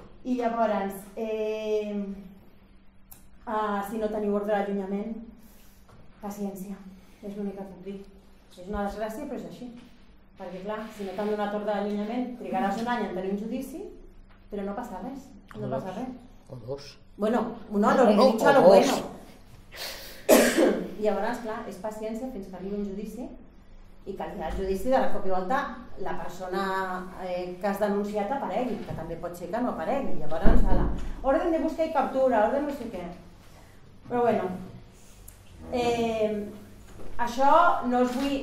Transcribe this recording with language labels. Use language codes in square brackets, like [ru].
[ca] I llavors, si no teniu ordre d'allunyament, paciència, és l'únic que puc dir. És una desgràcia, però és així. Perquè clar, si no t'han donat ordre d'allunyament, trigaràs un any a tenir un judici, però no passa res, no passa res. O dos. [es] Bueno, no, lo que he dicho a lo bueno. [ca] I llavors, clar, és paciència fins que arribi un judici i que al final del judici, de la cop i volta, la persona que has denunciat aparegui, que també pot ser que no aparegui. Llavors, ara, orden de busca i captura, orden no sé què. Però bueno, això no us vull...